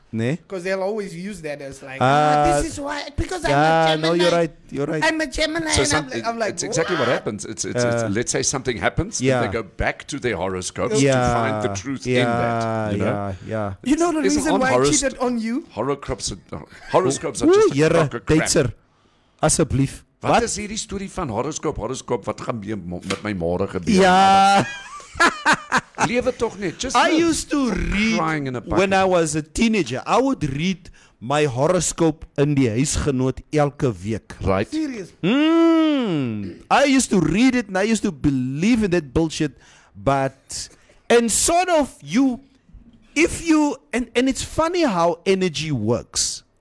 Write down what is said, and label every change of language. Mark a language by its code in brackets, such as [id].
[en] Because they'll always use that as like, this is why, because I'm a Gemini. No, you're right. I'm a Gemini. So I'm like, it's exactly what happens. It's let's say something happens, yeah, then they go back to their horoscope to find the truth in that. You know? Yeah, yeah. You know the reason why I cheated on you? Horoscopes are just a crock of crap. [af] Dater, asseblief. Wat is hierdie story van horoscoop, wat gaan met my morgen gebeur? Ja. Lewe toch net. [en] Just I used to read, when I was a teenager, I would read my horoscope in [af] die huisgenoot elke week. [en] Right. Serious. I used to read it and I used to believe in that bullshit, but, and sort of you, if you, and it's funny how energy works.